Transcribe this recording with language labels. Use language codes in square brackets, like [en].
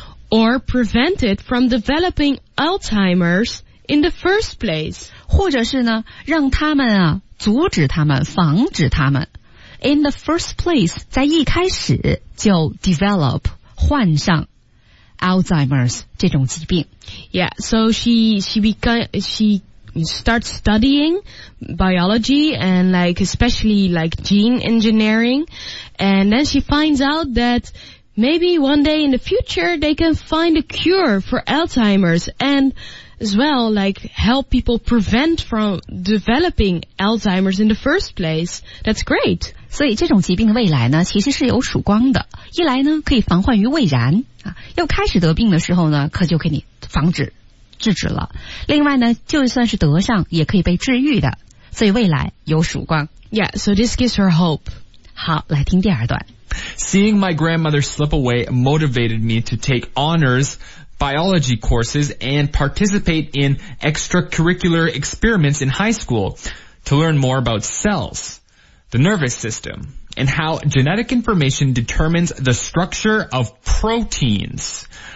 [en] Or prevented from developing Alzheimer's in the first place. [zh] 或者是呢,让他们啊阻止他们防止他们 [en] in the first place [zh] 在一开始就 develop 患上 Alzheimer's 这种疾病 [en] yeah so she starts studying biology and like especially like gene engineering and then she finds out that maybe one day in the future they can find a cure for Alzheimer's and as well like help people prevent from developing Alzheimer's in the first place. That's great. [zh] 所以这种疾病的未来呢其实是有曙光的。一来呢可以防患于未然。要开始得病的时候呢可就给你防止制止了。另外呢就算是得上也可以被治愈的。所以未来有曙光。 [en] Yeah, so this gives her hope. [zh] 好来听第二段。 [en] Seeing my grandmother slip away motivated me to take honors biology courses and participate in extracurricular experiments in high school to learn more about cells, the nervous system, and how genetic information determines the structure of proteins.